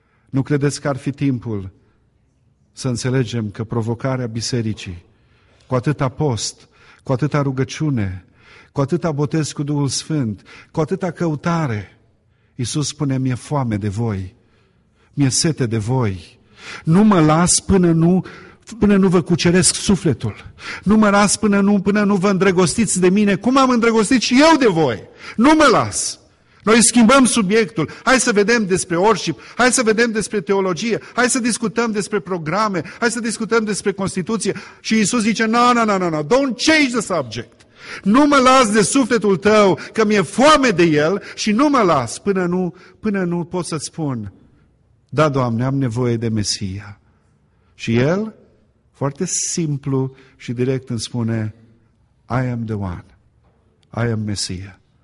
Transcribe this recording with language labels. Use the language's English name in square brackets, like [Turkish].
[Romanian] Nu credeți că ar fi timpul să înțelegem că provocarea bisericii, cu atâta post, cu atâta rugăciune, cu atâta botez cu Duhul Sfânt, cu atâta căutare, Iisus spune, mi-e foame de voi, mi-e sete de voi, nu mă las până nu vă cuceresc sufletul, nu mă las până nu vă îndrăgostiți de mine, cum am îndrăgostit și eu de voi, nu mă las. Noi schimbăm subiectul, hai să vedem despre worship, hai să vedem despre teologie, hai să discutăm despre programe, hai să discutăm despre Constituție. Și Iisus zice, [English] no, don't change the subject. [Romanian] Nu mă las de sufletul tău, că mi-e foame de el și nu mă las până nu pot să-ți spun, da, Doamne, am nevoie de Mesia. Și el, foarte simplu și direct îmi spune, [English] I am the one, I am Mesia.